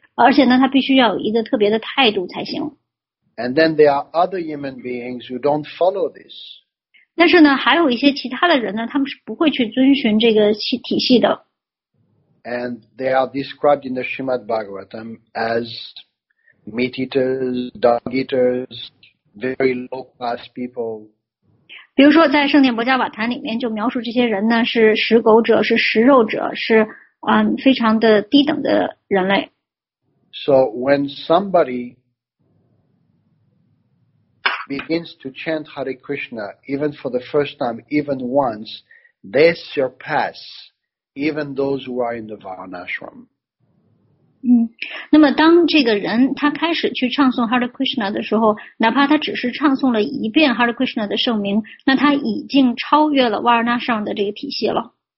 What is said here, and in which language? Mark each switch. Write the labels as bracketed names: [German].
[Chinese] 而且呢他必须要有一个特别的态度才行。 [English] And then there are other human beings who don't follow this. [Chinese] 但是呢还有一些其他的人呢他们是不会去遵循这个体系的。 [English] And they are described in the Srimad Bhagavatam as meat eaters, dog eaters, very low class people. [Chinese] 比如说在圣殿薄伽瓦坛里面就描述这些人呢是食狗者，是食肉者，是非常的低等的人类。 [English] So when somebody begins to chant Hare Krishna, even for the first time, even once, they surpass even those who are in the Varnashram. [Chinese] 那么当这个人他开始去唱诵 Hare Krishna 的时候，哪怕他只是唱诵了一遍 Hare Krishna 的圣名，那他已经超越了 Varnashram 的这个体系了。